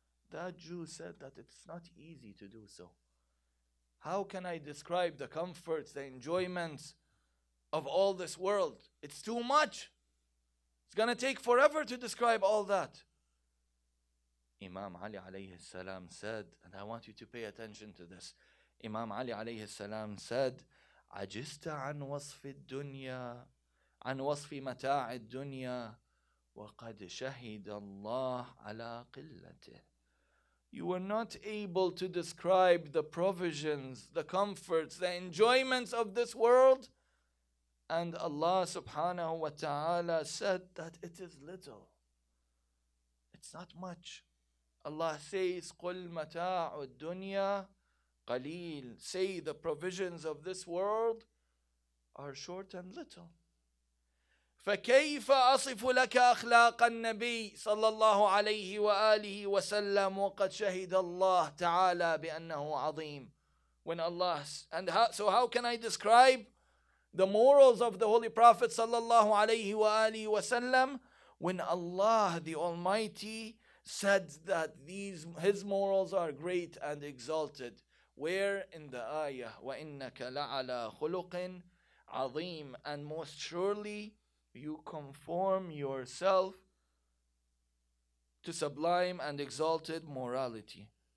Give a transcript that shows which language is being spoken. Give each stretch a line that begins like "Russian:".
English: That Jew said that it's not easy to do so. How can I describe the comforts, the enjoyments of all this world? It's too much. It's going to take forever to describe all that. Imam Ali alayhi salam said, and I want you to pay attention to this. Imam Ali alayhi salam said,
Arabic: عَجِزْتَ عَنْ وَصْفِ الدُّنْيَا عَنْ وَصْفِ مَتَاعِ الدُّنْيَا وَقَدْ شَهِدَ اللَّهُ عَلَىٰ قِلَّتِهِ.
English: You were not able to describe the provisions, the comforts, the enjoyments of this world, and Allah subhanahu wa ta'ala said that it is little. It's not much. Allah says,
Arabic: قُلْ مَتَاعُ الدُّنْيَا قَلِيلٌ.
English: Say, the provisions of this world are short and little.
Arabic: فَكَيْفَ أَصِفُ لَكَ أَخْلَاقَ النَّبِيِّ صلى الله عليه وآله وسلم وقد شهد الله تعالى بأنه عظيم.
English: When Allah, and so how can I describe the morals of the Holy Prophet sallallahu alayhi wa alihi wa sallam, when Allah the Almighty said that these his morals are great and exalted? Where in the ayah,
Arabic: wa innaka la'ala khuluqin azim,
English: and most surely you conform yourself to sublime and exalted morality.